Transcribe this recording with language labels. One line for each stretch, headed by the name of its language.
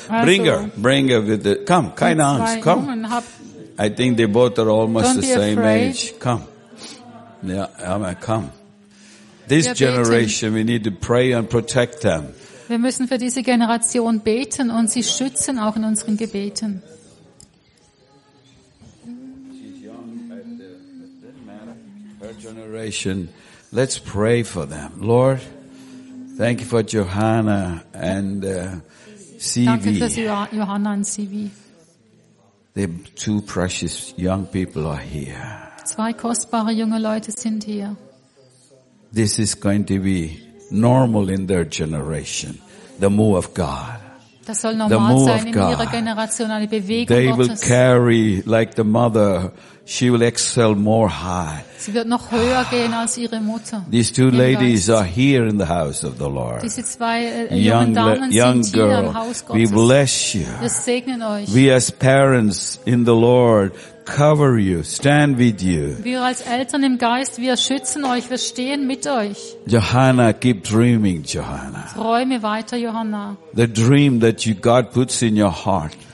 English: Also, bring her with the, come,
German: keine Angst,
English: come. I think they both are almost the same age. Come. Yeah, I mean, come. This generation, we need to pray and protect them.
German: Wir müssen für diese Generation beten und sie schützen auch in unseren Gebeten.
English: Generation, let's pray for them. Lord, thank you for Johanna and CV.
German: Danke für Johanna und CV.
English: The two precious young people are here.
German: Zwei kostbare junge Leute sind hier.
English: This is going to be normal in their generation. The move of God.
German: Das soll normal sein in God. Ihrer Generation, eine Bewegung
English: They
German: Gottes.
English: They will carry like the mother. She will excel more high.
German: Sie wird noch höher gehen als ihre Mutter.
English: These two ladies are here in the house of the Lord.
German: Diese zwei jungen Damen sind hier im Haus Gottes.
English: We bless you.
German: Wir segnen euch.
English: We as parents in the Lord cover you, stand with you.
German: Wir als Eltern im Geist, wir schützen euch, wir stehen mit euch.
English: Johanna, keep dreaming, Johanna.
German: Träume weiter, Johanna.
English: The dream that you God puts in your heart.